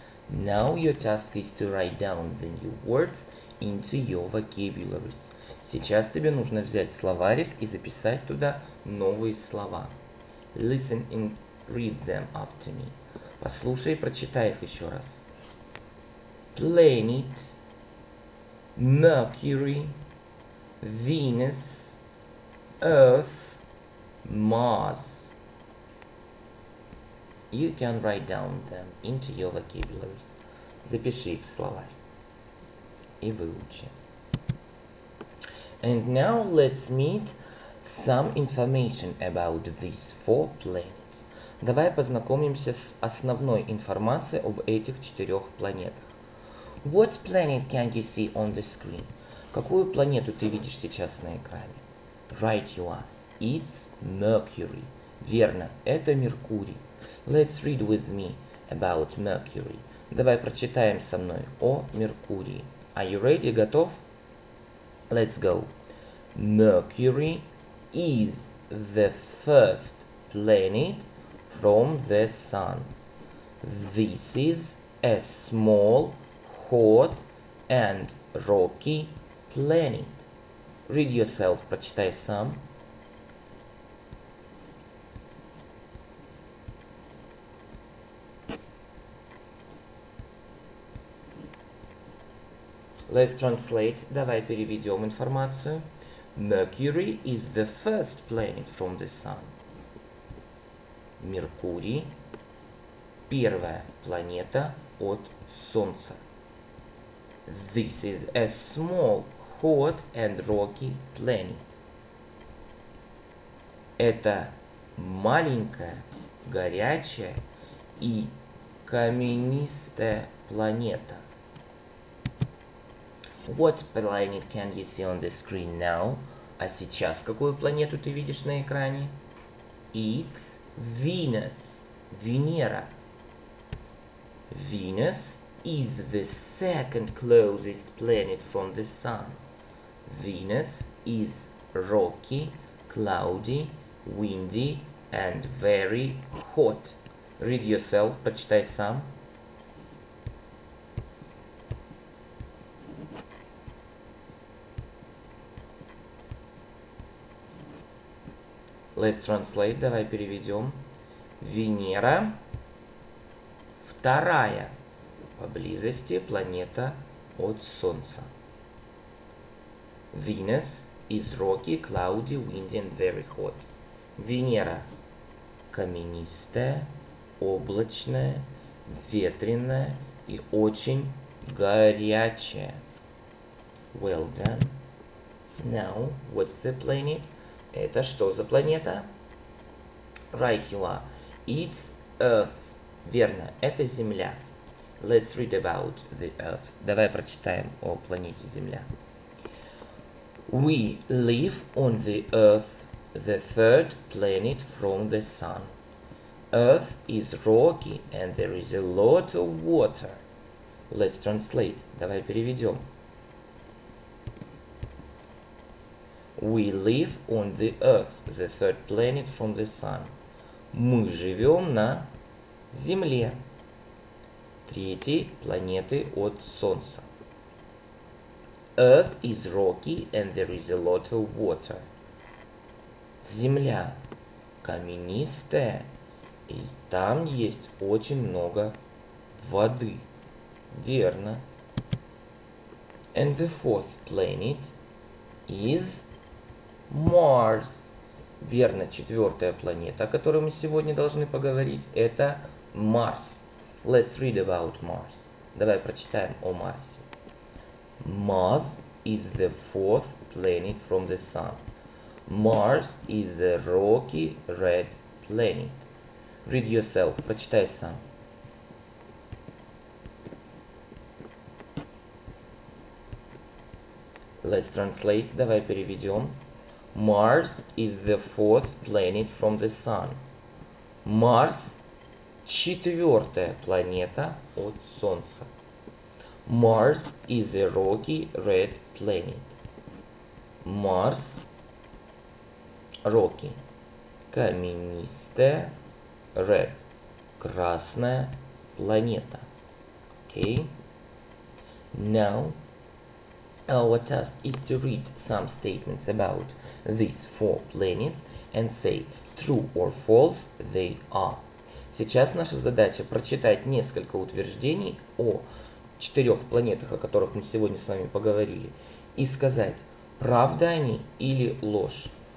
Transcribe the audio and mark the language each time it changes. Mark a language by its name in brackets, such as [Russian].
[English] Now your task is to write down the new words into your vocabularies. [Russian] Сейчас тебе нужно взять словарик и записать туда новые слова. [English] Listen and read them after me. [Russian] Послушай и прочитай их еще раз. [English] Planet, Mercury, Venus, Earth, Mars. You can write down them into your vocabularies. [Russian] Запиши их в словарь и выучи. [English] And now let's meet some information about these four planets. [Russian] Давай познакомимся с основной информацией об этих четырех планетах. [English] What planet can you see on the screen? [Russian] Какую планету ты видишь сейчас на экране? [English] Right you are. It's Mercury. [Russian] Верно, это Меркурий. [English] Let's read with me about Mercury. [Russian] Давай прочитаем со мной о Меркурии. [English] Are you ready? [Russian] Готов? [English] Let's go. Mercury is the first planet from the sun. This is a small, hot and rocky planet. Read yourself. [Russian] Прочитай сам. [English] Let's translate. [Russian] Давай переведем информацию. [English] Mercury is the first planet from the sun. [Russian] Меркурий – первая планета от Солнца. [English] This is a small, hot and rocky planet. [Russian] Это маленькая, горячая и каменистая планета. [English] What planet can you see on the screen now? [Russian] А сейчас какую планету ты видишь на экране? [English] It's Venus. [Russian] Венера. [English] Venus is the second closest planet from the sun. Venus is rocky, cloudy, windy and very hot. Read yourself, [Russian] почитай сам. [English] Let's translate. [Russian] Давай переведем. Венера – вторая поблизости планета от Солнца. [English] Venus is rocky, cloudy, windy and very hot. [Russian] Венера – каменистая, облачная, ветреная и очень горячая. [English] Well done. Now, what's the planet? [Russian] Это что за планета? [English] Right you are. It's Earth. [Russian] Верно, это Земля. [English] Let's read about the Earth. [Russian] Давай прочитаем о планете Земля. [English] We live on the Earth, the third planet from the sun. Earth is rocky and there is a lot of water. Let's translate. [Russian] Давай переведем. [English] We live on the Earth, the third planet from the sun. [Russian] Мы живем на Земле, третьей планеты от Солнца. [English] Earth is rocky and there is a lot of water. [Russian] Земля каменистая, и там есть очень много воды. Верно. [English] And the fourth planet is... Mars. [Russian] Верно, четвертая планета, о которой мы сегодня должны поговорить, это Марс. [English] Let's read about Mars. [Russian] Давай прочитаем о Марсе. [English] Mars is the fourth planet from the sun. Mars is a rocky red planet. Read yourself, [Russian] прочитай сам. [English] Let's translate, [Russian] давай переведем. [English] Mars is the fourth planet from the sun. [Russian] Mars – четвертая планета от Солнца. [English] Mars is a rocky red planet. Mars – rocky. [Russian] Каменистая, red – красная планета. Okay. [English] Now, our task is to read some statements about these four planets and say true or false they are. [Russian] Сейчас наша задача прочитать несколько утверждений о четырех планетах, о которых мы сегодня с вами поговорили, и сказать, правда они или ложь.